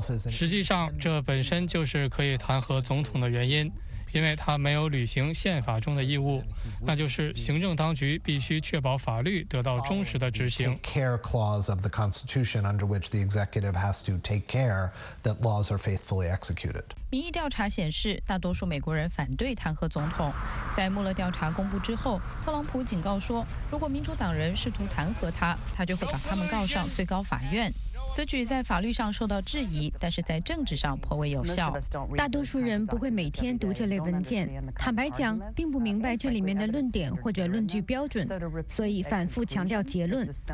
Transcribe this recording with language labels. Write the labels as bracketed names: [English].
[Chinese] 实际上，这本身就是可以弹劾总统的原因，因为他没有履行宪法中的义务，那就是行政当局必须确保法律得到忠实的执行。 [English] Take care clause of the Constitution under which the executive has to take care that laws are faithfully executed. [Chinese] 民意调查显示，大多数美国人反对弹劾总统。在穆勒调查公布之后，特朗普警告说，如果民主党人试图弹劾他，他就会把他们告上最高法院。此举在法律上受到质疑，但是在政治上颇为有效。大多数人不会每天读这类文件，坦白讲，并不明白这里面的论点或者论据标准，所以反复强调结论。